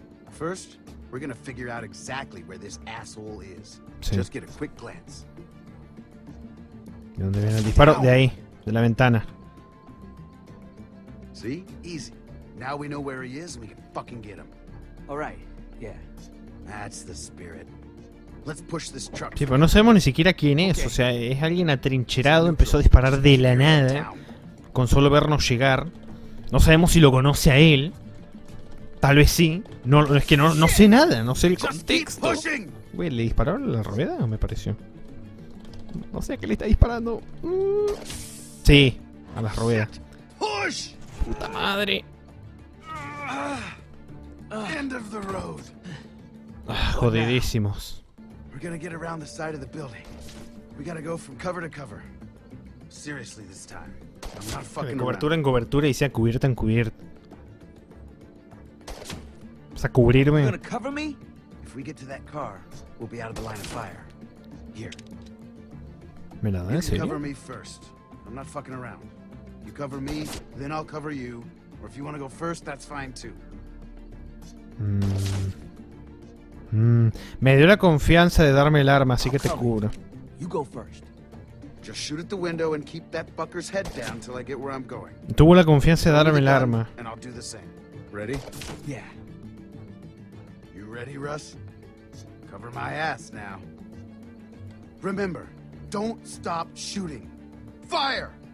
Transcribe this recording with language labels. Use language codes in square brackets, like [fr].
[en] First, we're gonna figure out exactly where this asshole is. [es] Sí. [en] Just get a quick glance. [es] ¿De dónde viene el disparo? De ahí, de la ventana. [en] See? Easy. Now we know where he is and we can fucking get him. All right. Yeah. That's the spirit. Let's push this truck. [es] Sí, pero no sabemos ni siquiera quién es. Okay. O sea, es alguien atrincherado, empezó a disparar de la nada. Con solo vernos llegar. No sabemos si lo conoce a él. Tal vez sí. No, es que no sé nada. No sé el contexto. Güey, ¿le dispararon a la rueda o me pareció? No sé a qué le está disparando. Sí, a la rueda. ¡Puta madre! [en] End of the road. [es] Jodidísimos. [en] We're gonna get around the side of the building. We gotta go from cover to cover. Seriously, this time. I'm not fucking. [es] De cobertura en cobertura y sea cubierta en cubierta. O sea, cubrirme. [en] You gonna cover me? If we get to that car, we'll be out of the line of fire. Here. [es] ¿Me la da? [en] You can cover me first. I'm not fucking around. You cover me, then I'll cover you. Or if you want to go first, that's fine too. [es] Me dio la confianza de darme el arma, así que te cubro. [en] You go first. Just shoot at the window and keep that fucker's head down till I get where I'm going. [es] Tuvo la confianza de darme el arma. [en] And I'll do the same. Ready? Yeah. Ready, Russ? Cover my ass now. Remember, don't stop shooting. Fire!